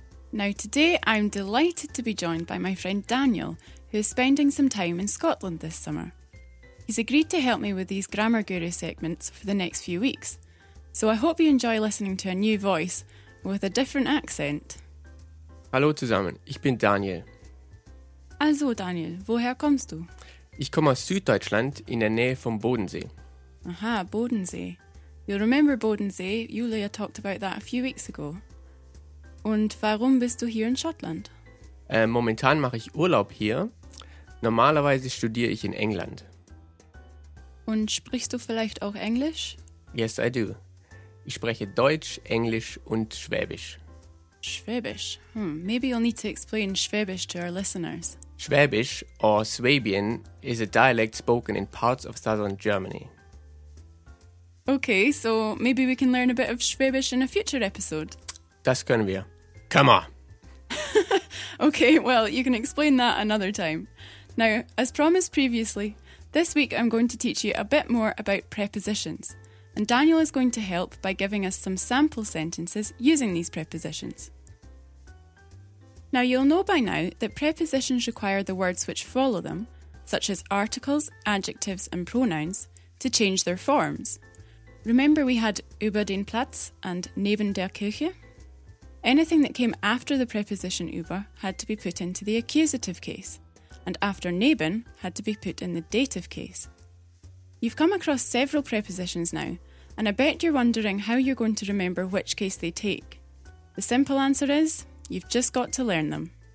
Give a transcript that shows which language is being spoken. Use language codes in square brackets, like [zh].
[en] Now today, I'm delighted to be joined by my friend Daniel, who is spending some time in Scotland this summer. He's agreed to help me with these Grammar Guru segments for the next few weeks, so I hope you enjoy listening to a new voice with a different accent. [de] Hallo zusammen, ich bin Daniel. Also Daniel, woher kommst du? Ich komme aus Süddeutschland in der Nähe vom Bodensee. Aha, Bodensee. [en] You'll remember Bodensee, Julia talked about that a few weeks ago. [de] Und warum bist du hier in Schottland? Momentan mache ich Urlaub hier. Normalerweise studiere ich in England. Und sprichst du vielleicht auch Englisch? [en] Yes, I do. [de] Ich spreche Deutsch, Englisch und Schwäbisch. Schwäbisch? [en] Maybe you'll need to explain Schwäbisch to our listeners. Schwäbisch, or Swabian, is a dialect spoken in parts of southern Germany. Okay, so maybe we can learn a bit of Schwäbisch in a future episode. [de] Das können wir. [en] Come on! Okay, well, you can explain that another time. Now, as promised previously, this week I'm going to teach you a bit more about prepositions, and Daniel is going to help by giving us some sample sentences using these prepositions. Now, you'll know by now that prepositions require the words which follow them, such as articles, adjectives and pronouns, to change their forms. Remember we had [de] über den Platz [en] and [de] neben der Kirche? [en] Anything that came after the preposition über had to be put into the accusative case, and after neben had to be put in the dative case. You've come across several prepositions now, and I bet you're wondering how you're going to remember which case they take. The simple answer is, you've just got to learn them.